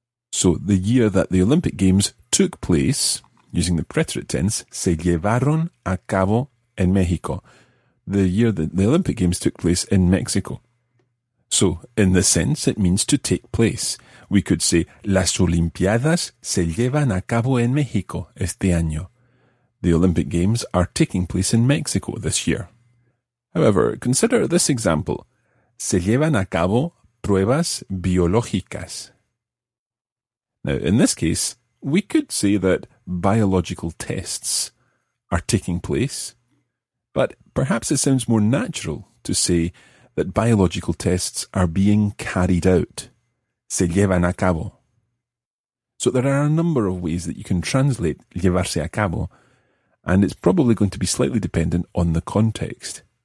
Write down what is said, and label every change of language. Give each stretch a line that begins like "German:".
English: So the year that the Olympic Games took place, using the preterite tense,
Spanish: se llevaron a cabo en México.
English: The year that the Olympic Games took place in Mexico. So in this sense, it means to take place. We could say,
Spanish: las Olimpiadas se llevan a cabo en México este año.
English: The Olympic Games are taking place in Mexico this year. However, consider this example.
Spanish: Se llevan a cabo pruebas biológicas.
English: Now, in this case, we could say that biological tests are taking place, but perhaps it sounds more natural to say that biological tests are being carried out.
Spanish: Se llevan a cabo.
English: So there are a number of ways that you can translate llevarse a cabo, and it's probably going to be slightly dependent on the context.